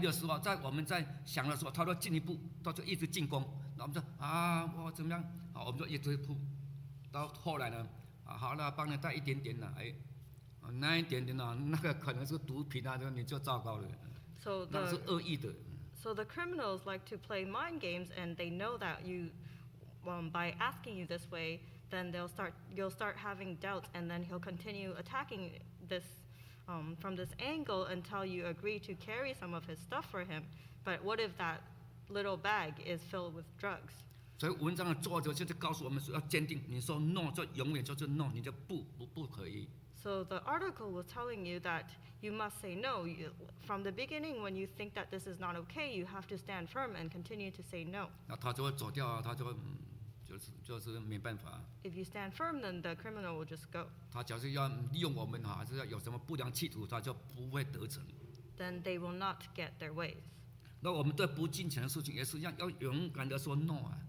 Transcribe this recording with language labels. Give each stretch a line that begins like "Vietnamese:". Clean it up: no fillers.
English: We say, "When we're doubting, when we're thinking, he will go further, he will keep attacking."
Chinese: 我们说怎么样？我们就一直扑。到后来呢，好了，帮你带一点点了，那一点点了，那个可能是毒品啊，你就糟糕了。
English: So the criminals like to play mind games, and they know that you, by asking you this way, then you'll start having doubts, and then he'll continue attacking this, from this angle until you agree to carry some of his stuff for him. But what if that little bag is filled with drugs?
Chinese: 所以文章的作者就是告诉我们说要坚定，你说 no 就永远就是 no， 你就不可以。
English: So the article was telling you that you must say no from the beginning. When you think that this is not okay, you have to stand firm and continue to say no.
Chinese: 那他就会走掉啊，他就没办法。
English: If you stand firm, then the criminal will just go.
Chinese: 他假设要利用我们，还是要有什么不良企图，他就不会得逞。
English: Then they will not get their way.
Chinese: 那我们对不敬虔的事情也是一样，要勇敢地说 no 啊。